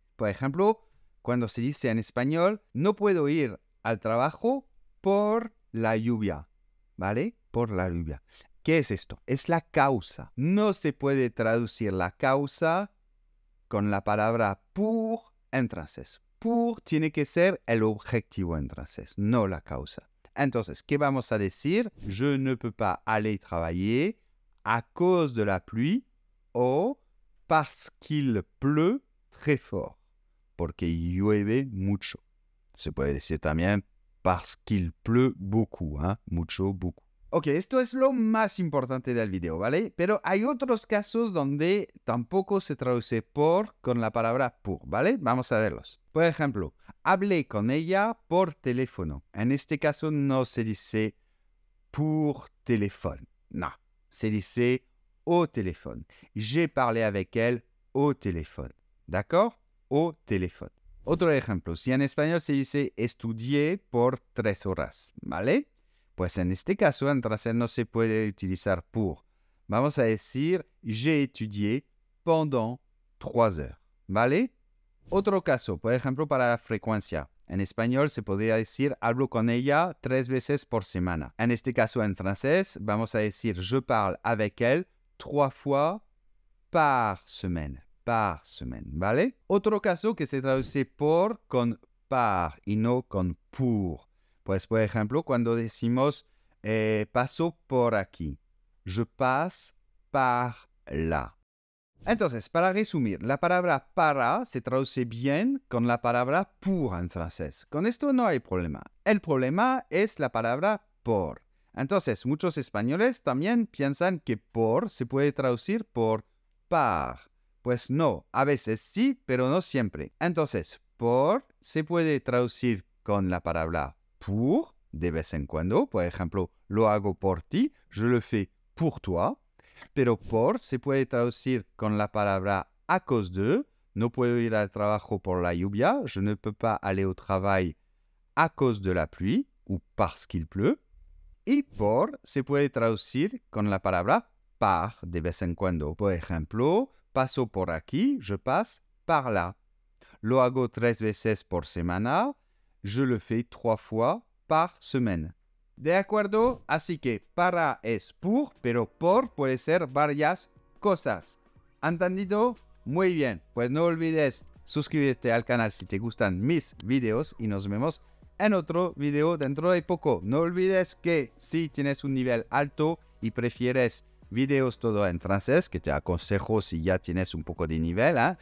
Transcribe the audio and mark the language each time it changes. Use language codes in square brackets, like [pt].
[es] Por ejemplo, cuando se dice en español, no puedo ir al trabajo por la lluvia, ¿vale? Por la lluvia. ¿Qué es esto? Es la causa. No se puede traducir la causa con la palabra pour en francés. Pour tiene que ser el objetivo en francés, no la causa. Entonces, ¿qué vamos a decir? [fr] Je ne peux pas aller travailler à cause de la pluie o parce qu'il pleut très fort. [es] Porque llueve mucho. Se puede decir también [fr] parce qu'il pleut beaucoup, [es] ¿eh? Mucho, beaucoup. Ok, esto es lo más importante del video, ¿vale? Pero hay otros casos donde tampoco se traduce por con la palabra pour, ¿vale? Vamos a verlos. Por ejemplo, hablé con ella por teléfono. En este caso no se dice [fr] pour téléphone. [es] No, se dice [fr] au téléphone. J'ai parlé avec elle au téléphone. [es] ¿D'accord? O teléfono. Otro ejemplo, si en español se dice estudié por 3 horas, ¿vale? Pues en este caso, en francés no se puede utilizar pour. Vamos a decir, [fr] j'ai étudié pendant 3 heures, ¿vale? [es] Otro caso, por ejemplo, para la frecuencia. En español se podría decir, hablo con ella 3 veces por semana. En este caso, en francés, vamos a decir, [fr] je parle avec elle 3 fois par semaine. Par semaine, ¿vale? [es] Otro caso que se traduce por con par y no con pour. Pues, por ejemplo, cuando decimos paso por aquí. [fr] Je passe par là. [es] Entonces, para resumir, la palabra para se traduce bien con la palabra pour en francés. Con esto no hay problema. El problema es la palabra por. Entonces, muchos españoles también piensan que por se puede traducir por par. Pues no, a veces sí, pero no siempre. Entonces, por se puede traducir con la palabra pour de vez en cuando. Por ejemplo, lo hago por ti, [fr] je le fais pour toi. [es] Pero por se puede traducir con la palabra à cause de. No puedo ir al trabajo por la lluvia. [fr] Je ne peux pas aller au travail à cause de la pluie ou parce qu'il pleut. [es] Y por se puede traducir con la palabra par de vez en cuando. Por ejemplo, paso por aquí, [fr] je passe par là. [es] Lo hago 3 veces por semana, [fr] je le fais 3 fois par semaine. [es] ¿De acuerdo? Así que para es pour, pero por puede ser varias cosas. ¿Entendido? Muy bien. Pues no olvides suscribirte al canal si te gustan mis videos y nos vemos en otro video dentro de poco. No olvides que si tienes un nivel alto y prefieres videos todo en francés, que te aconsejo si ya tienes un poco de nivel, ¿eh?